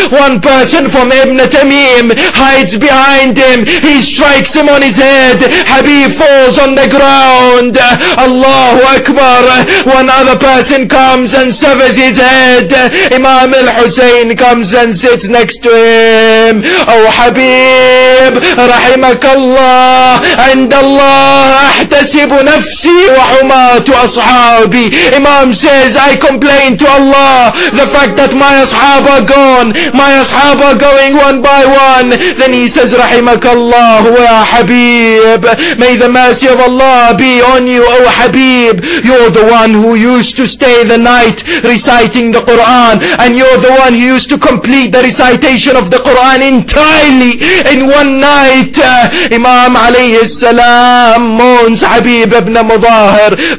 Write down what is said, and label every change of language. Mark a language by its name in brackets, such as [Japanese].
[English] One person from Ibn Tamim hides behind him. He strikes him on his head. Habib falls on the ground. Allahu Akbar. One other person comes and severs his head. Imam al-Husayn comes and sits next to him. [Arabic] "Oh Habib, رحمك الله, عند الله احتسب نفسي وحمات اصحابي." [English] Imam says, "I complain to Allah the fact that my ashab are gone. My ashab are going one by one." Then he says, [Arabic] "رحمك الله يا حبيب." [English] May the mercy of Allah be on you, O Habib. You're the one who used to stay the night reciting the Quran, and you're the one who used to complete the recitation of the Quran entirely in one night. Imam alayhi salam mourns Habib ibn Mudahir.